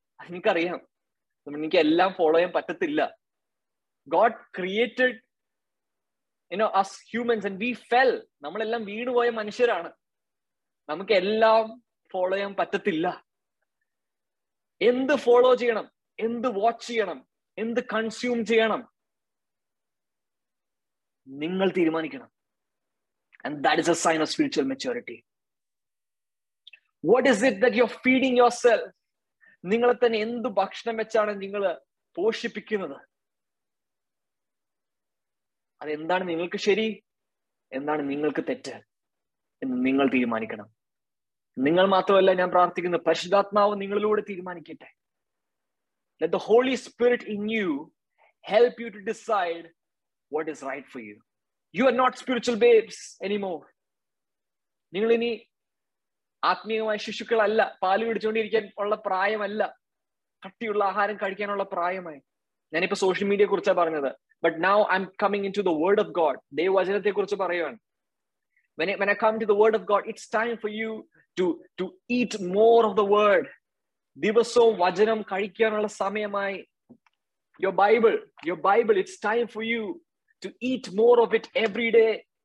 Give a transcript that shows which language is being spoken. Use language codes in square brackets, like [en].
[ml] എനിക്കറിയാം എനിക്ക് എല്ലാം ഫോളോ ചെയ്യാൻ പറ്റത്തില്ല. [en] God created you know us humans and we fell. [ml] നമ്മളെല്ലാം വീണു പോയ മനുഷ്യരാണ്. നമുക്ക് എല്ലാം ഫോളോ ചെയ്യാൻ പറ്റത്തില്ല. എന്ത് ഫോളോ ചെയ്യണം, എന്ത് വാച്ച് ചെയ്യണം, എന്ത് കൺസ്യൂം ചെയ്യണം നിങ്ങൾ തീരുമാനിക്കണം. [en] And that is a sign of spiritual maturity. What is it that you're feeding yourself? [ml] നിങ്ങളെ തന്നെ എന്ത് ഭക്ഷണം വെച്ചാണ് നിങ്ങൾ പോഷിപ്പിക്കുന്നത്? അതെന്താണ് നിങ്ങൾക്ക് ശരി, എന്താണ് നിങ്ങൾക്ക് തെറ്റ് എന്ന് നിങ്ങൾ തീരുമാനിക്കണം. നിങ്ങൾ മാത്രമല്ല, ഞാൻ പ്രാർത്ഥിക്കുന്നു പരിശുദ്ധാത്മാവ് നിങ്ങളിലൂടെ തീരുമാനിക്കട്ടെ. [en] Let the Holy Spirit in you help you to decide what is right for you. You are not spiritual babes anymore. [ml] നിങ്ങൾ ഇനി ആത്മീയമായ ശിശുക്കളല്ല, പാൽ കുടിച്ചുകൊണ്ടിരിക്കാൻ ഉള്ള പ്രായമല്ല, കട്ടിയുള്ള ആഹാരം കഴിക്കാനുള്ള പ്രായമായി. ഞാനിപ്പോ സോഷ്യൽ മീഡിയയെ കുറിച്ചാണ് പറഞ്ഞത്. [en] But now I'm coming into the word of God. [ml] Devajanathe kurichu parayan, [en] when I come to the word of God, it's time for you to eat more of the word. [ml] Divasam vajanam kadikkanulla samayamai. [en] Your bible, it's time for you to eat more of it every day.